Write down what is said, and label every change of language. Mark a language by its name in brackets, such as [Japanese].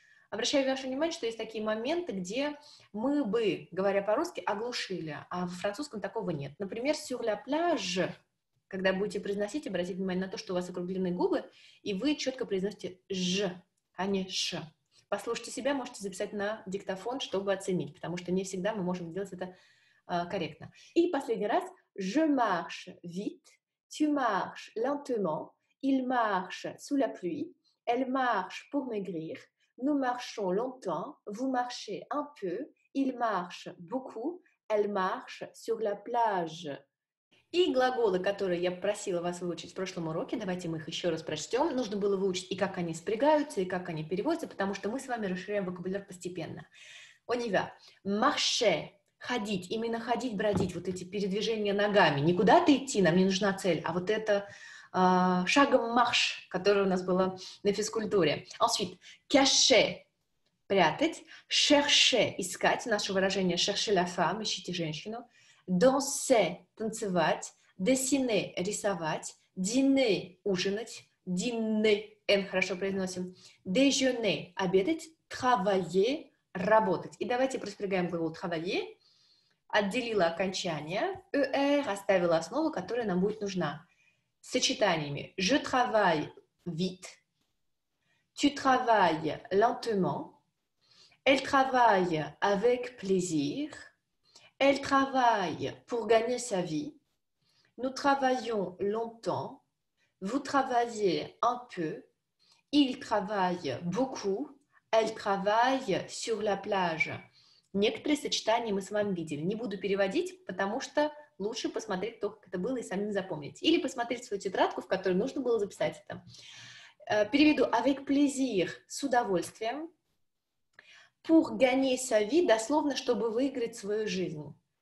[Russian] Обращаю ваше внимание, что есть такие моменты, где мы бы, говоря по-русски, оглушили, а в французском такого нет. Например, sur la plage, когда будете произносить, обратите внимание на то, что у вас округлены губы, и вы четко произносите ж, а не ш. Послушайте себя, можете записать на диктофон, чтобы оценить, потому что не всегда мы можем делать это корректно. И последний раз. [French] Je marche vite, tu marches lentement, il marche sous la pluie, elle marche pour maigrir, nous marchons longtemps, vous marchez un peu, il marche beaucoup, elle marche sur la plage. [Russian] И глаголы, которые я просила вас выучить в прошлом уроке, давайте мы их еще раз прочтем. Нужно было выучить и как они спрягаются, и как они переводятся, потому что мы с вами расширяем вокабуляр постепенно. [French] On y va. Marcher. [Russian] Ходить, именно ходить, бродить, вот эти передвижения ногами. Не куда-то идти, нам не нужна цель, а вот это шагом марш, который у нас было на физкультуре. [French] Ensuite, cacher, прятать. [Russian] Chercher, искать, наше выражение [French] chercher la femme, [Russian] ищите женщину. Danser, танцевать. Dessiner, рисовать. Dîner, ужинать. Dîner, N хорошо произносим. Déjeuner, обедать. Travailler, работать. И давайте проспрягаем глагол travailler. Отделила окончание, ER, оставила основу, которая нам будет нужна. С сочетаниями. [French] Je travaille vite. Tu travailles lentement. Elle travaille avec plaisir. Elle travaille pour gagner sa vie. Nous travaillons longtemps. Vous travaillez un peu. Il travaille beaucoup. Elle travaille sur la plage. [Russian] Некоторые сочетания мы с вами видели. Не буду переводить, потому что лучше посмотреть то, как это было, и самим запомнить. Или посмотреть свою тетрадку, в которой нужно было записать это. Переведу [French] avec plaisir, [Russian] с удовольствием, [French] pour gagner sa vie, [Russian] дословно, чтобы выиграть свою жизнь.